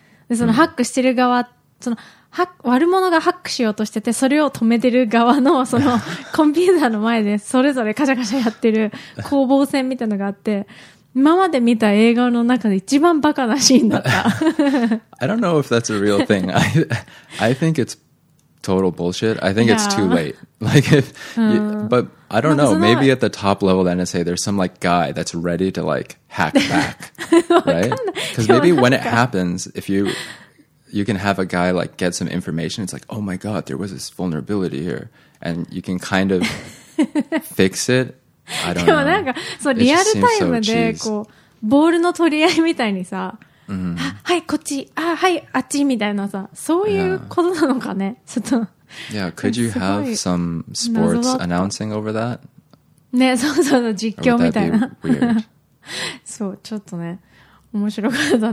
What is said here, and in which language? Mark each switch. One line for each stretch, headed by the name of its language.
Japanese: で、そのハックしてる側、その悪者がハックしようとしてて、それを止めてる側のそのコンピューターの前でそれぞれカシャカシャやってる攻防戦みたいなのがあって、今まで見た映画の中で一番バカなシーンだった。
English: I don't know if that's a real thing. I think it's total bullshit. I think it's too late. Like, if, but I don't know. Maybe at the top level of NSA, there's some like guy that's ready to like hack back, right? Because maybe when it happens, if you can have a guy like get some information, it's like, oh my god, there was this vulnerability here, and you can kind of fix it.
Japanese: でもなんかそうリアルタイムでこうボールの取り合いみたいにさ、はいこっち、あはいあっちみたいなさ、そういうことなのかね、ちょっと。
English: Yeah, could you have some sports announcing over that?
Japanese: ね、そうそうそう、実況みたいな。そう、ちょっとね、面白かった。